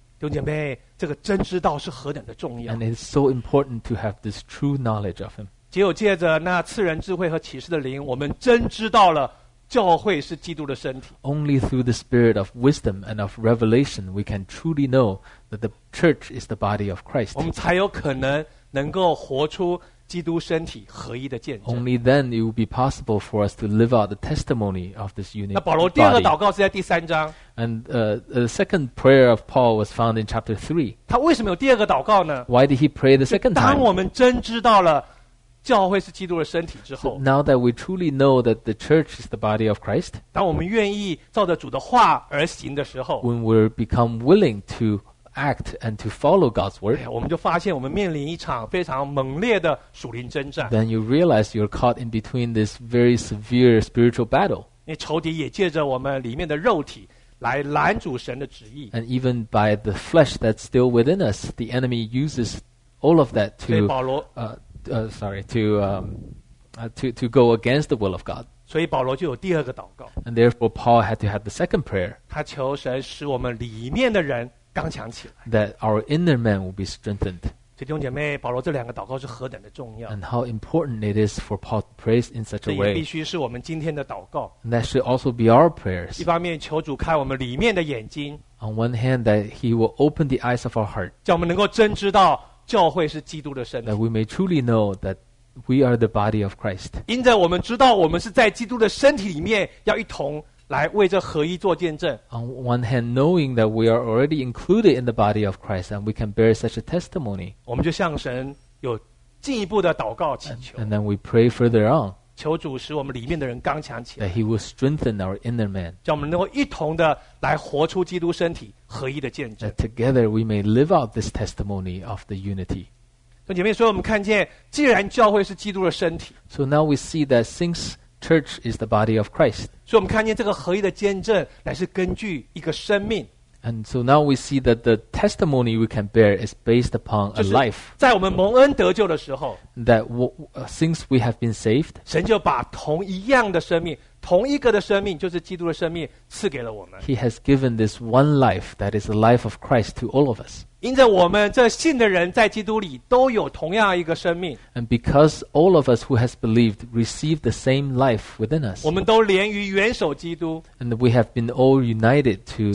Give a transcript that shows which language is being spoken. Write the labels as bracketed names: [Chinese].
[Chinese] 弟兄姐妹, 这个真知道是何等的重要。 [English] And it's so important to have this true knowledge of him. [Chinese] 只有借着那赐人智慧和启示的灵, 我们真知道了教会是基督的身体。 [English] Only through the spirit of wisdom and of revelation, we can truly know that the church is the body of Christ. [Chinese] 我们才有可能能够活出基督身体合一的见证。 [English] Only then it will be possible for us to live out the testimony of this unique [Chinese] 那保罗第二个祷告是在第三章。 [English] And the second prayer of Paul was found in chapter 3. [Chinese] 他为什么有第二个祷告呢? [English] Why did he pray the second time? [Chinese] 当我们真知道了教会是基督的身体之后, [English] so now that we truly know that the church is the body of Christ, [Chinese] 当我们愿意照着主的话而行的时候, [English] when we become willing to act and to follow God's word, [Chinese] 我们就发现我们面临一场非常猛烈的属灵征战。 [English] Then you realize you're caught in between this very severe spiritual battle. [Chinese] 因为仇敌也借着我们里面的肉体来拦阻神的旨意。 [English] And even by the flesh that's still within us, the enemy uses all of that to [Chinese] 所以保罗, [English] to go against the will of God. [Chinese] 所以保罗就有第二个祷告。 [English] And therefore Paul had to have the second prayer. [Chinese] 他求神使我们里面的人 [English] that our inner man will be strengthened. [Chinese] 弟兄姐妹, 保罗这两个祷告是何等的重要。 [English] And how important it is for Paul to pray in such a way. [Chinese] 这也必须是我们今天的祷告。 [English] And that should also be our prayers. [Chinese] 一方面求主开我们里面的眼睛。 [English] On one hand, that he will open the eyes of our heart. [Chinese] 叫我们能够真知道教会是基督的身体。 [English] That we may truly know that we are the body of Christ. [Chinese] 因着我们知道我们是在基督的身体里面要一同 来为这合一做见证。 [English] On one hand, knowing that we are already included in the body of Christ and we can bear such a testimony, [Chinese] 我们就向神有进一步的祷告祈求。 [English] And then we pray further on, [Chinese] 求主使我们里面的人刚强起来。 [English] That he will strengthen our inner man, [Chinese] 叫我们能够一同的来活出基督身体合一的见证。 [English] That together we may live out this testimony of the unity. [Chinese] 姐妹, 所以我们看见, 既然教会是基督的身体, [English] so now we see that since church is the body of Christ. [Chinese] 所以我们看见这个合一的见证乃是根据一个生命。 [English] And so now we see that the testimony we can bear is based upon a life. [Chinese] 在我们蒙恩得救的时候, [English] that since we have been saved, [Chinese] 神就把同一样的生命, 同一个的生命, 就是基督的生命, 赐给了我们。 [English] He has given this one life, that is the life of Christ, to all of us. [Chinese] 因着我们这信的人在基督里都有同样一个生命。 [English] And because all of us who has believed received the same life within us, [Chinese] 我们都连于元首基督, [English] and we have been all united to